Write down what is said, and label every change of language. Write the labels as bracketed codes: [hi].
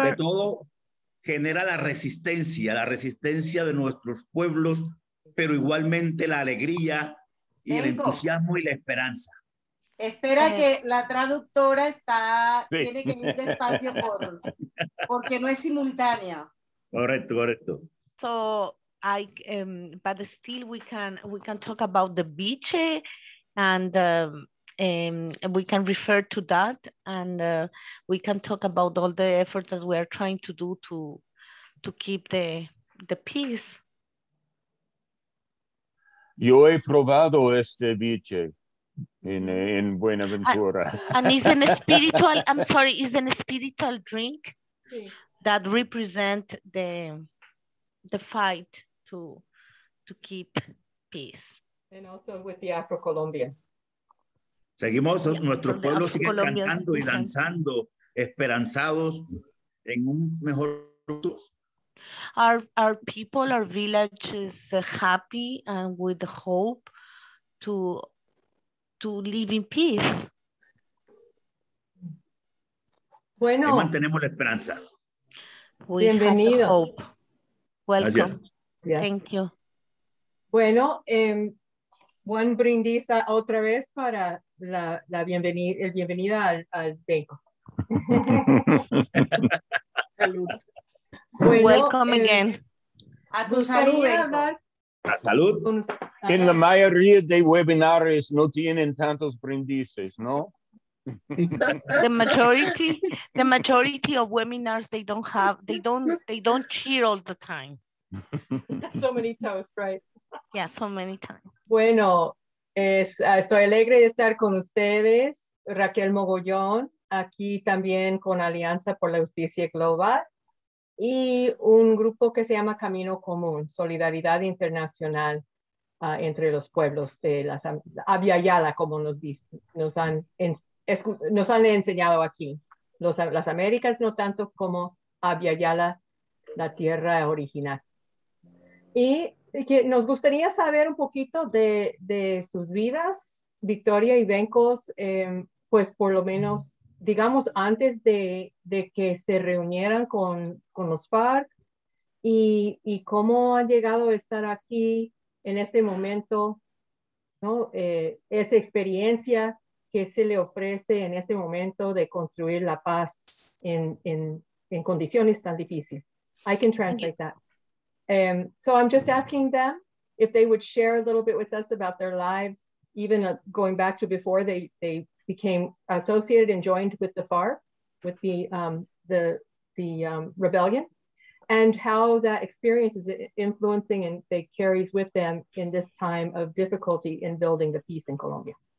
[es] y que entre todo genera la resistencia de nuestros pueblos, pero igualmente la alegría y el entusiasmo y la esperanza. Espera que la traductora está sí. Tiene que ir despacio porque no es simultánea. Correcto, correcto. [en] So I but still we can talk about the beach and we can refer to that and we can talk about all the efforts that we are trying to do to keep the peace. [es] Yo he probado este beach. In Buenaventura. [en] And is an spiritual, I'm sorry, is an spiritual drink that represent the fight to keep peace. And also with the Afro-Colombians. [es] Seguimos, yeah. Nuestros pueblos siguen cantando y danzando, esperanzados en un mejor futuro. [en] Our people, our village is happy and with hope to live in peace. [es] Bueno. Y mantenemos la esperanza. [en] We [es] bienvenidos. [en] Hope. Welcome. Yes. Thank you. [es] Bueno, buen brindis otra vez para la bienvenida al Benko. Salud. Bueno, [en] welcome again. [es] A tu salud, Benko. A salud. En la mayoría de webinars no tienen tantos brindices, ¿no? [en] The majority of webinars they don't cheer all the time. So many toasts, right? Yeah, so many times. [es] Bueno, estoy alegre de estar con ustedes, Raquel Mogollón, aquí también con Alianza por la Justicia Global. Y un grupo que se llama Camino Común, Solidaridad Internacional entre los pueblos de la Abya Yala, como nos han enseñado aquí. Las Américas no tanto como Abya Yala, la tierra original. Y que nos gustaría saber un poquito de sus vidas, Victoria y Benkos, pues por lo menos... digamos, antes de que se reunieran con los FARC y cómo han llegado a estar aquí en este momento, ¿no? Esa experiencia que se le ofrece en este momento de construir la paz en condiciones tan difíciles. [en] I can translate that. So I'm just asking them if they would share a little bit with us about their lives, even going back to before they became associated and joined with the FARC, with the rebellion, and how that experience is influencing and they carries with them in this time of difficulty in building the peace in Colombia.